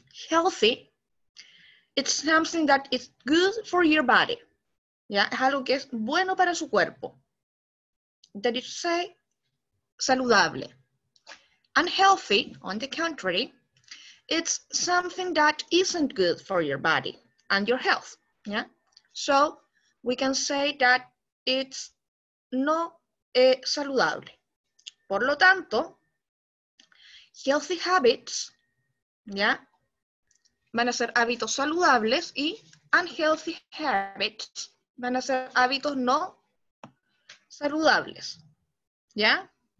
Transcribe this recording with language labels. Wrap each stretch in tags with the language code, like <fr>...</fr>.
<en>Healthy, it's something that is good for your body.</en> <es>¿Ya? Es algo que es bueno para su cuerpo.</es> <en>That is say, saludable. Unhealthy, on the contrary, it's something that isn't good for your body and your health. ¿Ya? So, we can say that it's no saludable.</en> <es>Por lo tanto, healthy habits, ¿ya?, van a ser hábitos saludables y unhealthy habits van a ser hábitos no saludables. ¿Ya?</es>